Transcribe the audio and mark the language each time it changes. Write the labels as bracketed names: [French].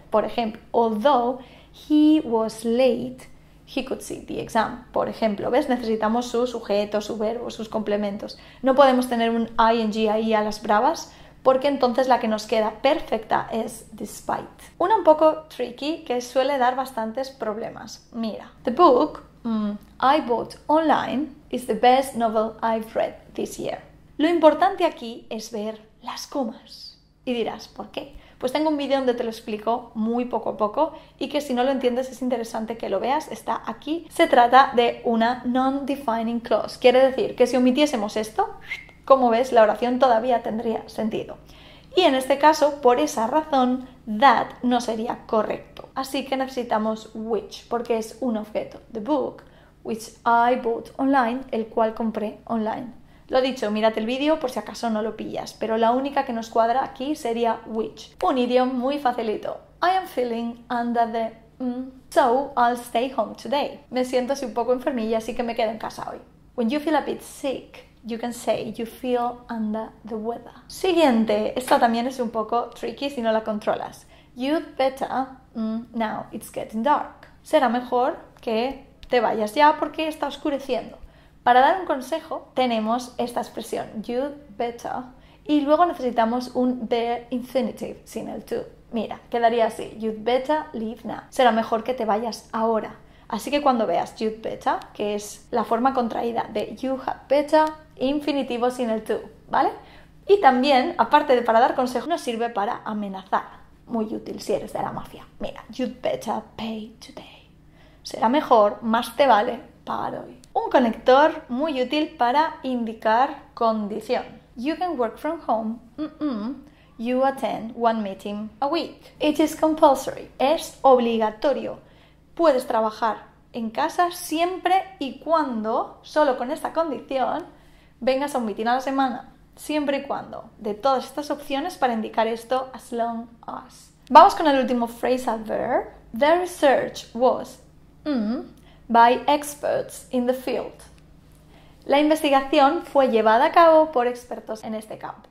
[Spanish] Por ejemplo, [English] although he was late, he could sit the exam. [Spanish] Por ejemplo, ¿ves? Necesitamos su sujeto, su verbo, sus complementos. No podemos tener un ing ahí a las bravas, porque entonces la que nos queda perfecta es despite. Una un poco tricky que suele dar bastantes problemas. Mira. [English] The book I bought online is the best novel I've read this year. [Spanish] Lo importante aquí es ver las comas. Y dirás, ¿por qué? Pues tengo un vídeo donde te lo explico muy poco a poco y que si no lo entiendes es interesante que lo veas, está aquí. Se trata de una non-defining clause. Quiere decir que si omitiésemos esto, como ves, la oración todavía tendría sentido. Y en este caso, por esa razón, that no sería correcto. Así que necesitamos which, porque es un objeto. [English] The book, which I bought online, [Spanish] el cual compré online. Lo dicho, mírate el vídeo por si acaso no lo pillas, pero la única que nos cuadra aquí sería which. Un idioma muy facilito. [English] I am feeling under the... So I'll stay home today. [Spanish] Me siento así un poco enfermilla, así que me quedo en casa hoy. [English] When you feel a bit sick, You can say you feel under the weather. [Spanish] Siguiente. Esta también es un poco tricky si no la controlas. You'd better... [English] now it's getting dark. [Spanish] Será mejor que te vayas ya porque está oscureciendo. Para dar un consejo, tenemos esta expresión. You'd better... Y luego necesitamos un there infinitive sin el to. Mira, quedaría así. [English] You'd better leave now. [Spanish] Será mejor que te vayas ahora. Así que cuando veas you'd better, que es la forma contraída de you had better, infinitivo sin el to, ¿vale? Y también, aparte de para dar consejo, nos sirve para amenazar. Muy útil si eres de la mafia. Mira, [English] you'd better pay today. [Spanish] Será mejor, más te vale pagar hoy. Un conector muy útil para indicar condición. [English] You can work from home, you attend one meeting a week. It is compulsory. [Spanish] Es obligatorio. Puedes trabajar en casa siempre y cuando, solo con esta condición, vengas a un meeting a la semana. Siempre y cuando. De todas estas opciones para indicar esto, as long as. Vamos con el último phrasal verb. [English] The research was by experts in the field. [Spanish] La investigación fue llevada a cabo por expertos en este campo.